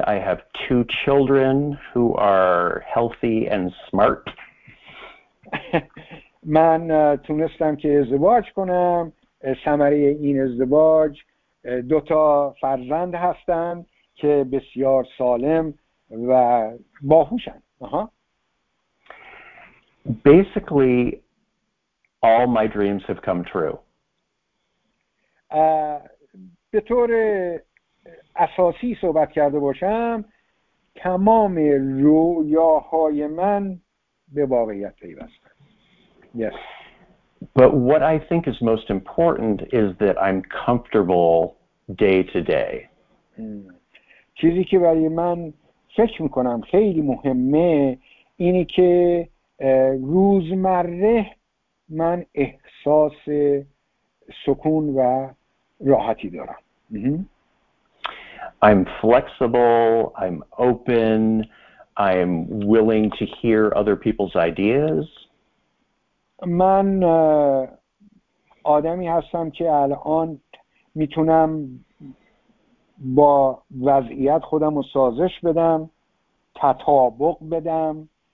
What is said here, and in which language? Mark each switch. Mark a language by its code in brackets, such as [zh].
[en] I have 2 children who are healthy and smart. [fa] من تونستم که ازدواج کنم. ثمره این ازدواج 2 فرزند هستن که بسیار سالم و باهوشن. [en] Basically, all my dreams have come true. [fa] به طور اساسی صحبت کرده باشم، تمام رویاهای من به واقعیت پیوسته. [en] Yes. But what I think is most important is that I'm comfortable day to day. [fa] چیزی که برای من فکر میکنم خیلی مهمه اینه که روزمره من احساس سکون و راحتی دارم. [en] I'm flexible, I'm open, I'm willing to hear other people's ideas. [fa] من آدمی هستم که الان میتونم با وضعیت خودم رو سازش بدم، تطابق بدم.